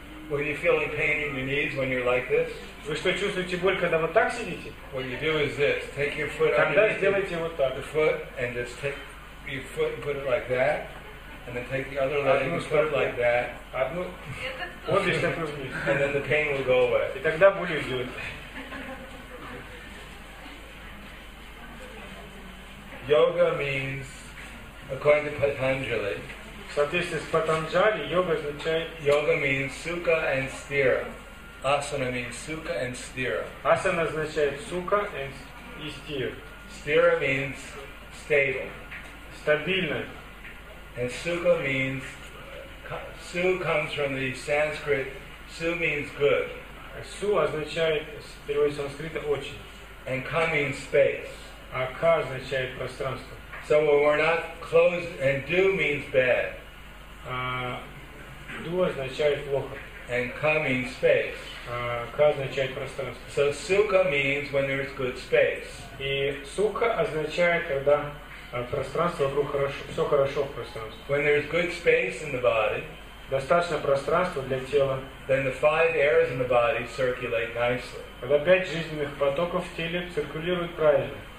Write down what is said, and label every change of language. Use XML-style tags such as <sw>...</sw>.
<en>When you feel any pain in your knees when you're like this?</en> <ru>Вы что чувствуете боль, когда вот так сидите?</ru> <en>What you do is this. Take your foot.</en> <ru>Тогда сделайте вот так.</ru> <en>The foot and just take your foot and put it like that. And then take the other leg and put it like that. And then the pain will go away.</en> <ru>И тогда будет идёт.</ru> <en>Yoga means, according to Patanjali. So this is Patanjali. Yoga</en> <ru>означает.</ru> <en>Yoga means sukha and sthira. Asana means sukha and sthira.</en> <ru>Asana означает сука</ru> <en>and</en> <ru>стир.</ru> <en>Sthira means stable.</en> <ru>Стабильно.</ru> <en>And sukha means, su comes from the Sanskrit, su means good.</en> <ru>Su означает, переводится с санскрита, очень.</ru> <en>And ka means space.</en> <ru>А ka означает пространство.</ru> <en>So when we're not closed, and du means bad.</en> <ru>Du означает плохо.</ru> <en>And ka means space.</en> <ru>Ka означает пространство.</ru> <en>So sukha means when there is good space.</en> <ru>И sukha означает, когда пространство вокруг хорошо, все хорошо в пространстве.</ru> <en>When there is good space in the body,</en> <ru>достаточно пространства для тела,</ru> <en>then the five airs in the body circulate nicely.</en> <ru>Когда пять жизненных потоков в теле циркулируют правильно.</ru>